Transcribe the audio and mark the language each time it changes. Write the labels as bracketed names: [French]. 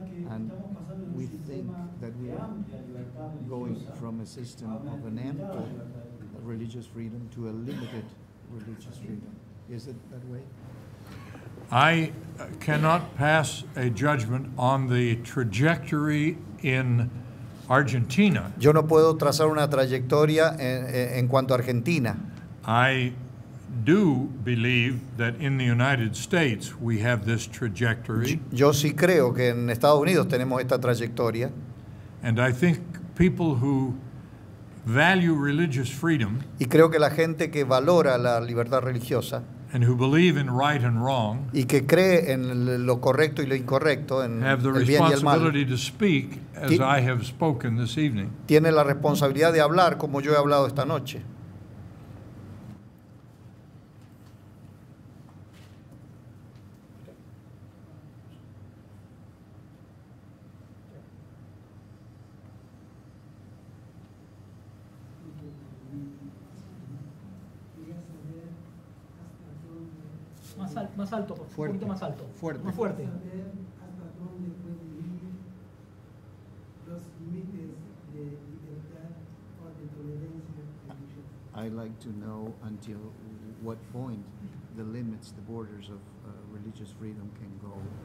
[English] And we think that we are going from a system of an ample religious freedom to a limited religious freedom. Is it that way? I cannot pass a judgment on the trajectory in Argentina. [Spanish] Yo no puedo trazar una trayectoria en cuanto a Argentina. [English] I do believe that in the United States we have this trajectory. [Spanish] Yo sí creo que en Estados Unidos tenemos esta trayectoria. [English] And I think people who value religious freedom, [Spanish] y creo que la gente que valora la libertad religiosa, [English] and who believe in right and wrong, [Spanish] y que cree en lo correcto y lo incorrecto, en [English] have the responsibility to speak as I have spoken this evening. [Spanish] Tiene la responsabilidad de hablar como yo he hablado esta noche. Más alto, fuerte, un poquito más alto, fuerte, más fuerte. ¿Hasta dónde pueden ir los límites de libertad o de tolerancia? [English] I'd like to know until what point the limits, the borders of religious freedom can go.